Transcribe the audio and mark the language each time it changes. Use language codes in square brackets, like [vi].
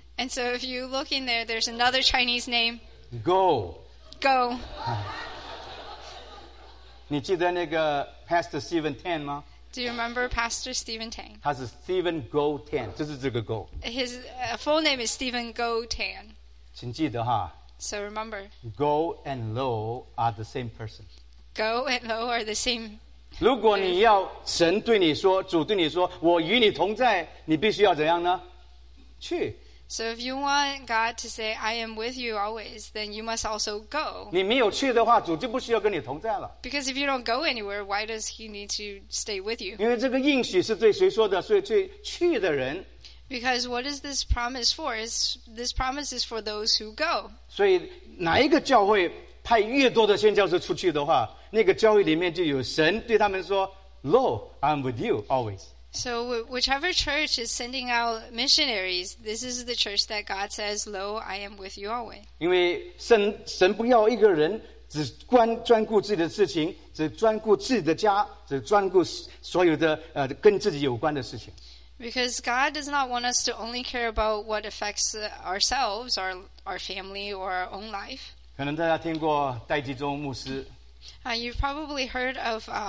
[en] And so if you look in there, there's another Chinese name. Go. Go. [zh] 你记得那个 Pastor Stephen Tan 吗？ [en] Do you remember Pastor Stephen Tan? [zh] 他是 Stephen Go Tan， 就是这个 Go。 [en] His full name is Stephen Go Tan。 [zh] 请记得哈。 [en] So remember. Go and Low are the same person. Go and low are the same. [zh] 如果你要神对你说，主对你说，我与你同在，你必须要怎样呢？去。 [en] So if you want God to say I am with you always, then you must also go. [zh] 你没有去的话，主就不需要跟你同在了。 [en] Because if you don't go anywhere, why does He need to stay with you? [zh] 因为这个应许是对谁说的？所以对去的人。 [en] Because what is this promise for? This promise is for those who go. [zh] 所以哪一个教会？派越多的宣教士出去的话，那个教会里面就有神对他们说 ， [en] Lo, I'm with you always. So whichever church is sending out missionaries, this is the church that God says, Lo, I am with you always. [zh] 因为神不要一个人只专顾自己的事情，只专顾自己的家，只专顾所有的跟自己有关的事情。 [en] Because God does not want us to only care about what affects ourselves, our family, or our own life. [zh] 可能大家听过戴季中牧师。 [en] You've probably heard of